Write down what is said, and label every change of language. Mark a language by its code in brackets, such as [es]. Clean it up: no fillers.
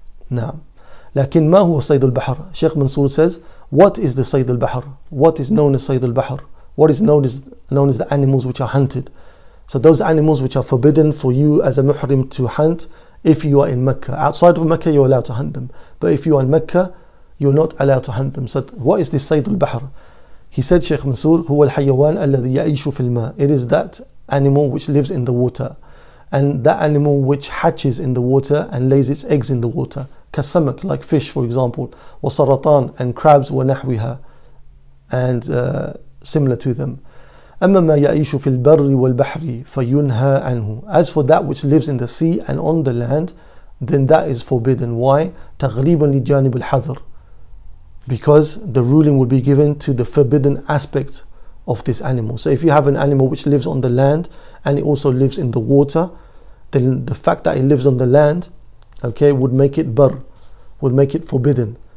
[ar] نعم. لكن ما هو صيد البحر؟ [en] Sheikh Mansour says, what is the صيد البحر? What is known as صيد البحر? What is known as the animals which are hunted? So those animals which are forbidden for you as a muhrim to hunt, if you are in Mecca. Outside of Mecca, you're allowed to hunt them. But if you are in Mecca, you're not allowed to hunt them. So what is this صيد البحر? He said, Sheikh Mansour, [ar] هو الحيوان الذي يعيش في الماء. [en] It is that animal which lives in the water. And that animal which hatches in the water and lays its eggs in the water. [ar] كالسمك, [en] like fish for example, [ar] وسرطان, [en] and crabs, [ar] ونحوها, [en] and similar to them. [ar] أما ما يعيش في البر والبحر فينهى عنه. [en] As for that which lives in the sea and on the land, then that is forbidden. Why? [ar] تغليبا لجانب الحذر. [en] Because the ruling will be given to the forbidden aspect of this animal. So if you have an animal which lives on the land and it also lives in the water, then the fact that it lives on the land, okay, would make it bar, would make it forbidden.